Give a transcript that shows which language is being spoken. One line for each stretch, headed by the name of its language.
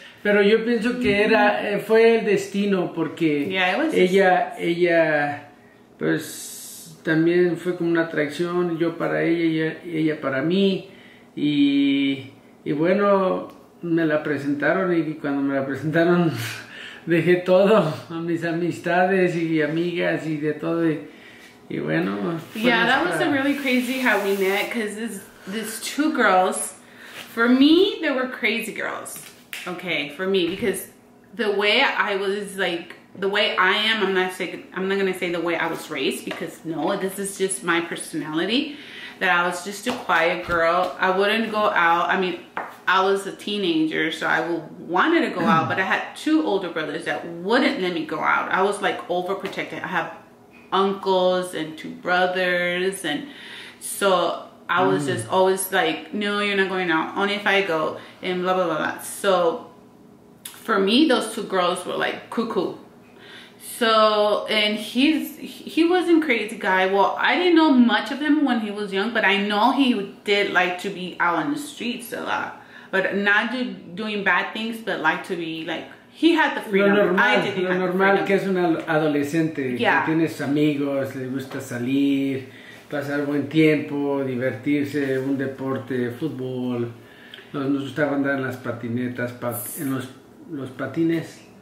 Spanish: Pero yo pienso que era, fue el destino, porque ella, pues, también fue como una atracción, yo para ella y ella para mí, y bueno, me la presentaron, y cuando me la presentaron, dejé todo, a mis amistades y amigas y de todo, y bueno.
English: Yeah, that was a really crazy how we met, because this two girls, for me, they were crazy girls. Okay, for me, because the way I was, like, the way I am, I'm not gonna say the way I was raised, because no, this is just my personality, that I was just a quiet girl. I wouldn't go out. I mean, I was a teenager, so I wanted to go out, but I had two older brothers that wouldn't let me go out. I was, like, overprotected. I have uncles and two brothers, and so I was just always like, no, you're not going out, only if I go, and blah, blah, blah, blah. So for me, those two girls were like cuckoo. So, and he wasn't a crazy guy. Well, I didn't know much of him when he was young, but I know he did like to be out on the streets a lot, but not doing bad things, but like to be like, he had the freedom.
Spanish: Lo normal que es un adolescente. Yeah. Que tienes amigos, le gusta salir, pasar buen tiempo, divertirse, un deporte, fútbol. Nos gustaba andar en las patinetas, en los patines.